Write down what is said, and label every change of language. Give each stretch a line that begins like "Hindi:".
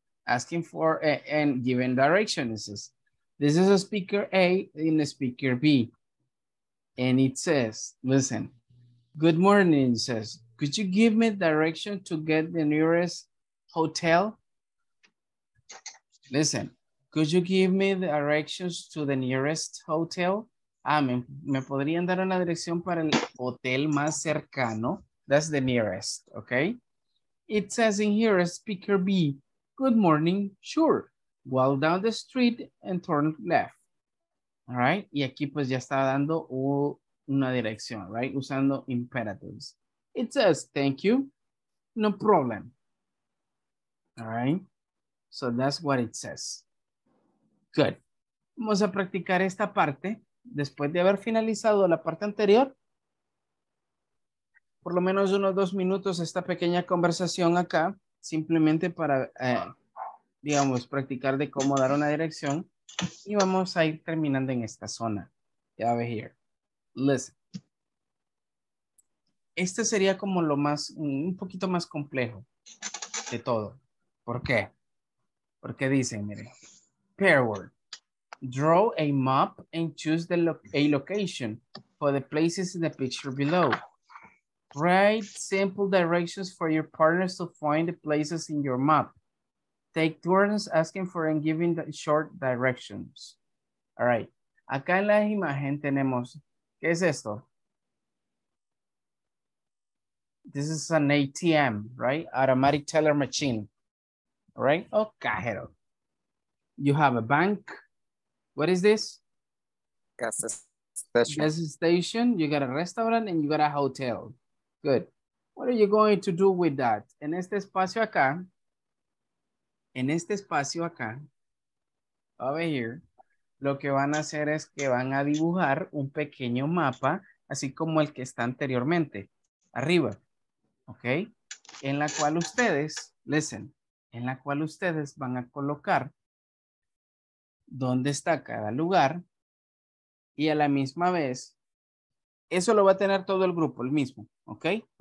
English: Asking for and giving directions. This is a speaker A in a speaker B. And it says, listen, good morning, says, could you give me direction to get the nearest hotel? Listen, could you give me the directions to the nearest hotel?
Spanish: Ah, me podrían dar una dirección para el hotel más cercano.
English: That's the nearest, okay? It says in here, speaker B, good morning, sure. Well, down the street and turn left. All right,
Spanish: y aquí pues ya está dando una dirección,
English: right? Usando imperatives. It says, thank you, no problem. All right, so that's what it says. Good.
Spanish: Vamos a practicar esta parte después de haber finalizado la parte anterior. Por lo menos unos 2 minutos esta pequeña conversación acá, simplemente para, digamos, practicar de cómo dar una dirección. Y vamos a ir terminando en esta zona. Ya ve here. Listen. Este sería como lo más, un poquito más complejo de todo. ¿Por qué? Porque dicen, mire, pair word.
English: Draw a map and choose the location for the places in the picture below. Write simple directions for your partners to find the places in your map. Take turns asking for and giving the short directions. All right.
Spanish: Acá en la imagen tenemos, ¿qué es esto?
English: This is an ATM, right? Automatic teller machine. All right. Oh, cajero. You have a bank. What is this? Gas station. Gas station. You got a restaurant and you got a hotel. Good. What are you going to do with that?
Spanish: En este espacio acá. En este espacio acá,
English: over here,
Spanish: lo que van a hacer es que van a dibujar un pequeño mapa, así como el que está anteriormente, arriba, ¿ok? En la cual ustedes, listen, en la cual ustedes van a colocar dónde está cada lugar y a la misma vez, eso lo va a tener todo el grupo, el mismo, ¿ok?